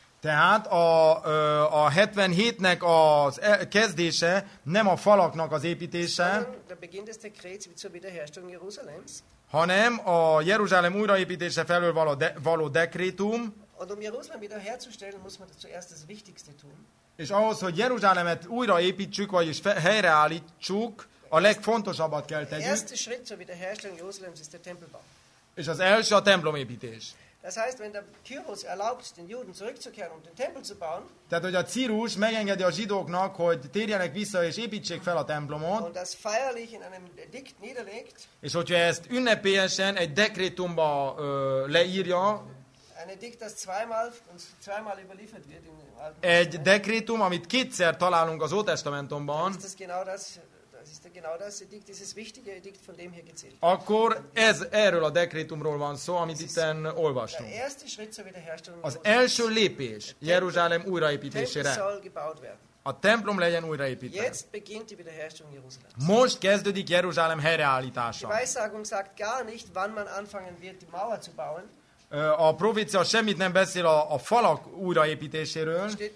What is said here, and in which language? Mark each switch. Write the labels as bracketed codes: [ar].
[hu] Tehát a 77-nek az kezdése nem a falaknak az építése. [de] Der Beginn des Dekrets zur Wiederherstellung Jerusalems. [hu] Hanem a Jeruzsálem újraépítése felől való dekrétum. [de] Und um Jerusalem wiederherzustellen muss man zuerst das Wichtigste tun. [hu] És ahhoz, hogy Jeruzsálemet újraépítsük, vagyis helyreállítsuk, a legfontosabbat kell tegyük. [de] Erste Schritt zur Wiederherstellung Jerusalems ist der Tempelbau. [hu] És az első a templomépítés. [de] Das heißt, wenn der Kyrus erlaubt, den Juden zurückzukehren, um den Tempel zu bauen. [hu] Tehát, hogy a Círus megengedi a zsidóknak, hogy térjenek vissza és építsék fel a templomot. [de] Und das feierlich in einem Edikt niederlegt. [hu] És hogyha ezt ünnepélyesen egy dekrétumba leírja. [de] Ein Edikt, das zweimal überliefert wird im Alten. [hu] Egy dekrétum, amit kétszer találunk az Ótestamentumban. [de] Ist das genau das? Das ist genau das Edikt, dieses wichtige Edikt, von dem hier gezählt. [hu] Akkor ez erről a dekrétumról van szó, amit itten olvastunk. [de] Der erste Schritt zur Wiederherstellung. [hu] Az első lépés Jeruzsálem újraépítésére. A templom legyen újraépítve. [de] Jetzt beginnt die Wiederherstellung Jerusalems. [hu] Most kezdődik Jeruzsálem helyreállítása. [de] Die Weissagung sagt gar nicht, wann man anfangen wird, die Mauer zu bauen. [hu] A profécia semmit nem beszél a falak újraépítéséről.